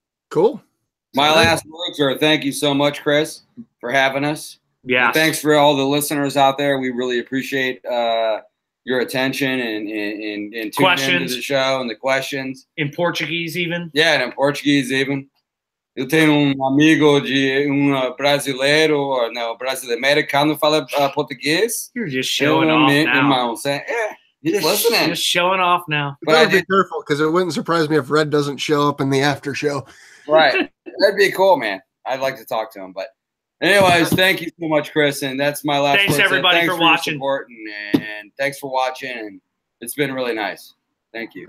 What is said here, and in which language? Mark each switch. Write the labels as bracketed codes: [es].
[en] Cool. My last words are thank you so much, Chris, for having us. Yeah. Thanks for all the listeners out there. We really appreciate your attention and tuning questions into the show and the questions. In Portuguese, even. Yeah, and in Portuguese, even. [pt] Eu tenho amigo de brasileiro, [en] or no, [pt] brasileiro, americano, fala português. [en] You're just showing off now. [pt] Irmãos, é. [en] Just showing off now. But I'd be careful, because it wouldn't surprise me if Red doesn't show up in the after show. Right. That'd be cool, man. I'd like to talk to him. But anyways, thank you so much, Chris. And that's my last thanks, person. Everybody, thanks for watching. And thanks for watching. It's been really nice. Thank you.